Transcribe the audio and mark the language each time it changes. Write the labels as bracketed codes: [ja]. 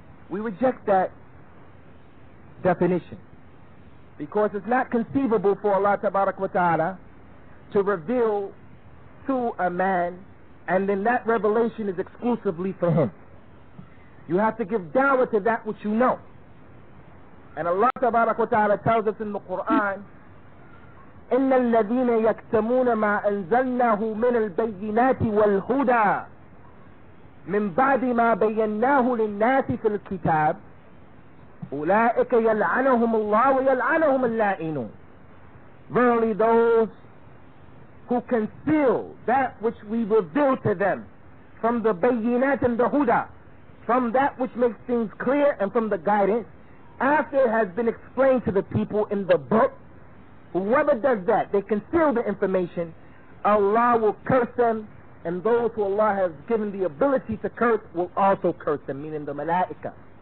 [en] We reject that definition, because it's not conceivable for Allah tabarak wa ta'ala to reveal to a man, and then that revelation is exclusively for him. You have to give dawah to that which you know. And Allah tabarak wa ta'ala tells us in the Quran, [ar] إِنَّ الَّذِينَ يَكْتَمُونَ مَا أَنزَلْنَاهُ مِنَ الْبَيِّنَاتِ وَالْهُدَى مِنْ بَعْدِ مَا بَيَّنَّاهُ لِلنَّاسِ فِي الْكِتَابِ أُولَٰئِكَ يَلْعَنَهُمُ اللَّهُ وَيَلْعَنَهُمُ اللَّائِنُونَ. [en] Verily those who conceal that which we reveal to them from the bayyinat and the huda, from that which makes things clear and from the guidance, after it has been explained to the people in the book, whoever does that, they conceal the information, Allah will curse them, and those who Allah has given the ability to curse will also curse them, meaning the malaika.